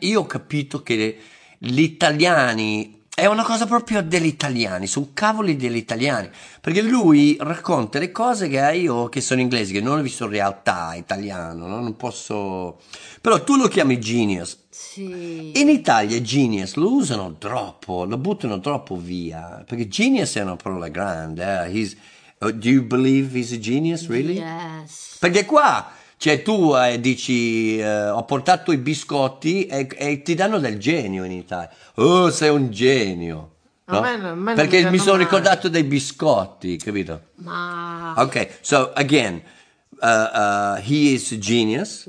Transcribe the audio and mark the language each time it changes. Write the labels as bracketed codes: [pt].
[it] Io ho capito che gli italiani, è una cosa proprio degli italiani, sono cavoli degli italiani, perché lui racconta le cose che io, che sono inglesi, che non ho visto in realtà italiano, no? Non posso, però tu lo chiami genius. Sì. In Italia genius lo usano troppo, lo buttano troppo via, perché genius è una parola grande. [en] He's, do you believe he's a genius, really? Yes. [it] Perché qua, cioè tu dici, ho portato i biscotti e ti danno del genio in Italia. Oh, sei un genio. No? A me perché mi sono ricordato dei biscotti, capito? Ma... [en] Ok, so again, he is a genius.